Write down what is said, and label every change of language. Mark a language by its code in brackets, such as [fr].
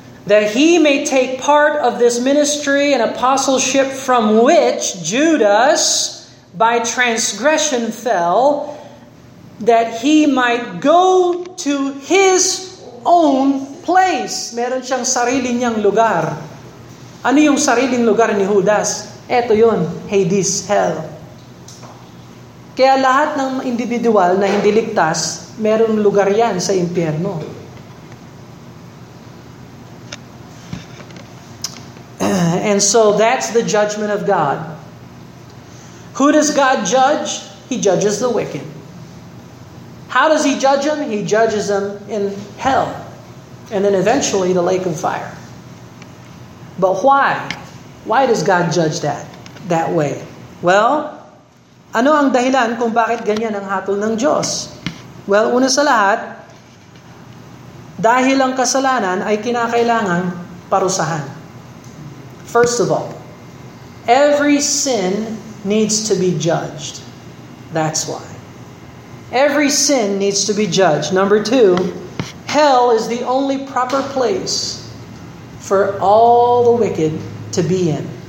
[en] That he may take part of this ministry and apostleship from which Judas by transgression fell, that he might go to his own place. [tl] Meron siyang sarili niyang lugar. Ano yung sariling lugar ni Judas? Ito yun, Hades, hell. Kaya lahat ng individual na hindi ligtas, merong lugar yan sa impyerno. [en] And so that's the judgment of God. Who does God judge? He judges the wicked. How does he judge them? He judges them in hell. And then eventually the lake of fire. But why? Why does God judge that way? [tl] Well, ano ang dahilan kung bakit ganyan ang hatol ng Diyos? Well, una sa lahat, dahil ang kasalanan ay kinakailangan parusahan. [en] First of all, every sin needs to be judged. That's why. Every sin needs to be judged. Number two, hell is the only proper place for all the wicked to be in.